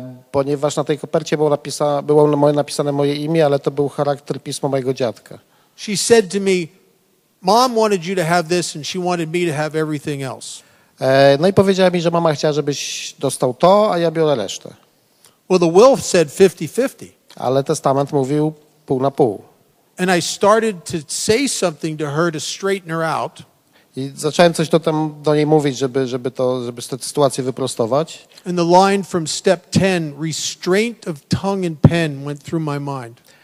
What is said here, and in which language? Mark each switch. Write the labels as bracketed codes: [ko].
[pl] Ponieważ na tej kopercie było napisane moje imię, ale to był charakter pisma mojego dziadka. [en] She said to me, "Mom wanted you to have this and she wanted me to have everything else." [pl] No i powiedziała mi, że mama chciała, żebyś dostał to, a ja biorę resztę. [en] Well, the will said 50-50. [pl] Ale testament mówił pół na pół. [en] And I started to say something to her to straighten her out. [pl] I zacząłem coś do niej mówić, żeby tę sytuację wyprostować. [en] And the line from step 10, restraint of tongue and pen, went through my mind.